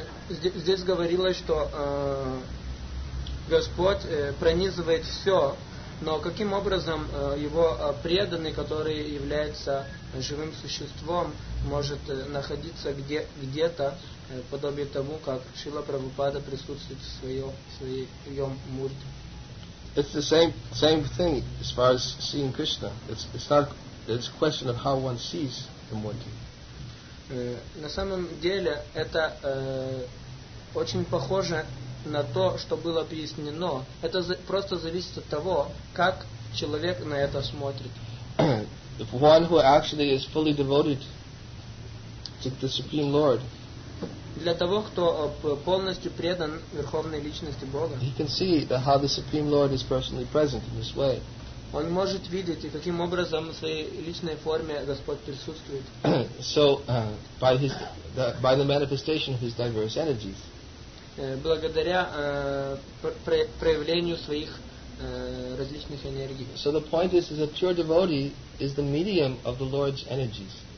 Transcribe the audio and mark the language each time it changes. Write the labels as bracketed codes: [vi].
[ru] Здесь говорилось, что Господь пронизывает все, но каким образом его преданный, который является живым существом, может находиться где-то подобие тому, как Шрила Прабхупада присутствует в своем мурте? [en] It's the same thing as far as seeing Krishna. It's a question of how one sees the murti. [ru] На самом деле это очень похоже на то, что было объяснено. Это просто зависит от того, как человек на это смотрит. [en] If one who actually is fully devoted to the Supreme Lord, [ru] для того, кто полностью предан Верховной Личности Бога, [en] he can see how the Supreme Lord is personally present in this way. [ru] Он может видеть, и каким образом в своей личной форме Господь присутствует. [en] So, by the manifestation of his diverse energies. [ru] Благодаря проявлению своих различных энергий. [en] So the point is a pure devotee is the medium of the Lord's energies.